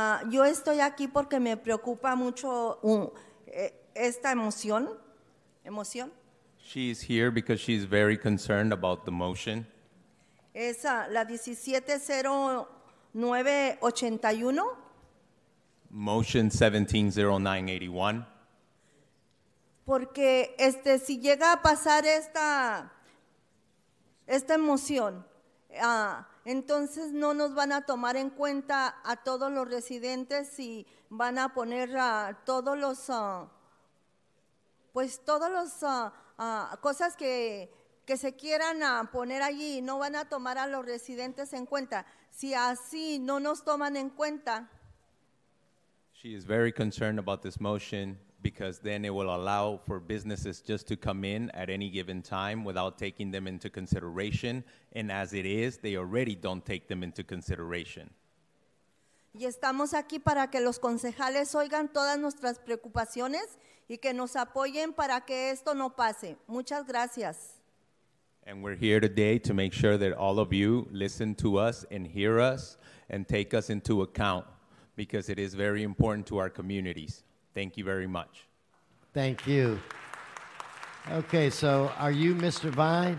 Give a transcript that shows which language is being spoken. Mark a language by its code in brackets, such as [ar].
[es] Yo estoy aquí porque me preocupa mucho esta emoción. Emoción. [en] She is here because she's very concerned about the motion. [es] Esa, la 170981. [en] Motion 170981. [es] Porque si llega a pasar esta emoción, entonces no nos van a tomar en cuenta a todos los residentes y van a poner cosas que se quieran poner allí, no van a tomar a los residentes en cuenta. Si así no nos toman en cuenta. [en] She is very concerned about this motion, because then it will allow for businesses just to come in at any given time without taking them into consideration. And as it is, they already don't take them into consideration. [es] Y estamos aquí para que los concejales oigan todas nuestras preocupaciones y que nos apoyen para que esto no pase. Muchas gracias. [en] And we're here today to make sure that all of you listen to us and hear us and take us into account, because it is very important to our communities. Thank you very much. Thank you. Okay, so are you Mr. Vine?